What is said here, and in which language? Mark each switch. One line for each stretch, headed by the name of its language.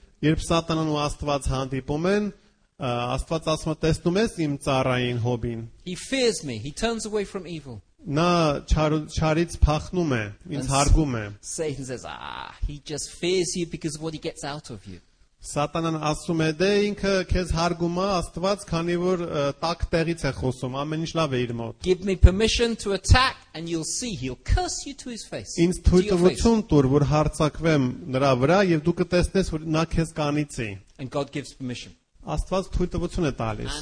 Armenian: Երբ Սատանն ու Աստված հանդիպում են, Աստված ասում է, "Տեսնում ես իմ ծառային Հոբին?"
English: He fears me. He turns away from evil.
Armenian: Նա չարից փախնում է, ինձ հարգում է։
English: Satan says, he just fears you because of what he gets out of you.
Armenian: Սատանան ասում է, դե ինքը քեզ հարգում է Աստված, քանի որ տաք տեղից է խոսում, ամեն ինչ լավ է իր մոտ։
English: Give me permission to attack and you'll see he'll curse you to his face.
Armenian: Ինձ թույլ տվություն տուր, որ հարցակվեմ նրա վրա եւ դու կտեսնես, որ նա քեզ կանիցի։
English: And God gives permission.
Armenian: Աստված թույլ տվություն է տալիս։